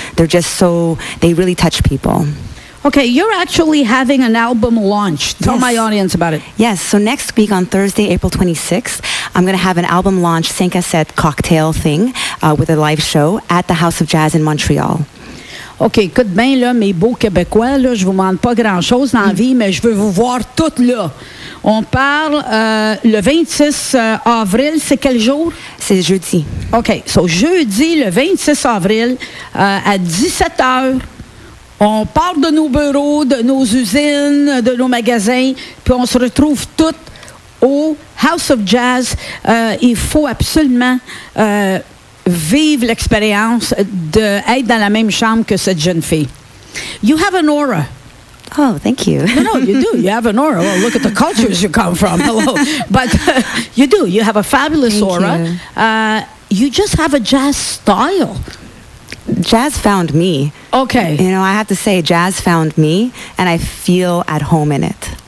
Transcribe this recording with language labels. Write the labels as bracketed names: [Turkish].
[English] They're just so, they really touch people. Okay, you're actually having an album launch. Tell my audience about it. Yes, so next week on Thursday, April 26th, I'm going to have an album launch, sans cassette cocktail thing with a live show at the House of Jazz in Montreal. [French] OK, écoute bien, là, mes beaux Québécois, là, je ne vous demande pas grand-chose dans la vie, mais je veux vous voir toutes là. On parle le 26 avril, c'est quel jour? C'est jeudi. [English] OK, so [French] jeudi, le 26 avril, à 17h, on part de nos bureaux, de nos usines, de nos magasins, puis on se retrouve toutes au House of Jazz. Il faut absolument... vive l'expérience d'être dans la même chambre que cette jeune fille. [English] You have an aura. Oh, thank you. No, you do. You have an aura. Well, look at the cultures you come from. Hello. But you do. You have a fabulous thank aura. You. You just have a jazz style. Jazz found me. Okay. You know, I have to say, jazz found me, and I feel at home in it.